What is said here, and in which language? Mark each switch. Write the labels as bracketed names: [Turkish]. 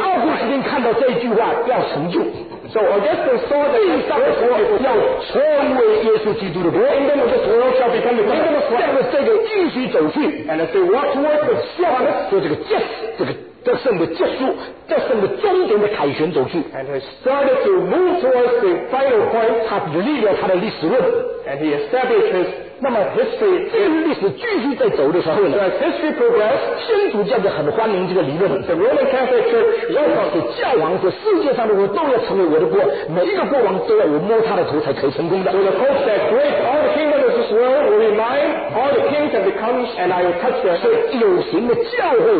[Chinese] 奥古斯丁看到这句话要成就。 [English] So Augustine saw that this world will kingdom of this world shall become the kingdom of Christ. And as they walk towards the promise, so this [Chinese] 得胜的结束，得胜的终点的凯旋走去。 [English] And he started to move towards the final point. [Chinese] 他立了他的历史论。 [English] And he established his. [Chinese] 那么历史继续在走的时候呢？ [English] So as history progressed, [Chinese] 天主教就很欢迎这个理论。The [English] Roman Catholic Church, [Chinese] 教皇说世界上如果都要成为我的国，每一个国王都要我摸他的头才可以成功的。So [English] the hope that great all the kingdoms of this world will be mine, all the kings have become, and I will touch their head.